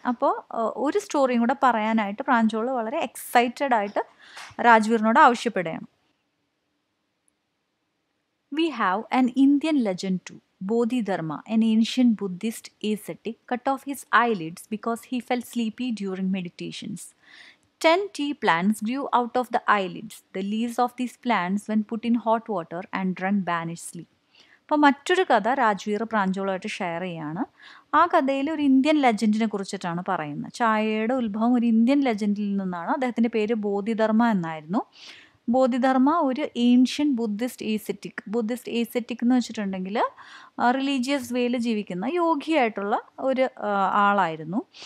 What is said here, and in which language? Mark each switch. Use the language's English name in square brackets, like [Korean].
[Malayalam] അപ്പോൾ ഒരു സ്റ്റോറിയും കൂടെ പറയാനായിട്ട് പ്രാഞ്ചോൾ വളരെ എക്സൈറ്റഡ് ആയിട്ട് രാജ്വീറിനോട് ആവശ്യപ്പെടുകയാണ്. [English] We have an Indian legend too, Bodhidharma, an ancient Buddhist ascetic cut off his eyelids because he fell sleepy during meditations. 10 tea plants grew out of the eyelids. The leaves of these plants when put in hot water and drunk banished sleep. [Malayalam] അപ്പോൾ മറ്റൊരു കഥ Rajveer പ്രാഞ്ചോളുമായിട്ട് share ചെയ്യുകയാണ്. ആ കഥയിൽ ഒരു Indian ലെജൻഡിനെ കുറിച്ചിട്ടാണ് പറയുന്നത്. ചായയുടെ ഉത്ഭവം ഒരു ഇന്ത്യൻ ലെജൻഡിൽ നിന്നാണ്. അദ്ദേഹത്തിൻ്റെ പേര് ബോധിധർമ്മ എന്നായിരുന്നു. ബോധിധർമ്മ ഒരു ഏൻഷ്യൻ ബുദ്ധിസ്റ്റ് ഏസെറ്റിക്. ബുദ്ധിസ്റ്റ് ഏസെറ്റിക് എന്ന് വെച്ചിട്ടുണ്ടെങ്കിൽ റിലീജിയസ് വേയിൽ ജീവിക്കുന്ന യോഗിയായിട്ടുള്ള ഒരു ആളായിരുന്നു.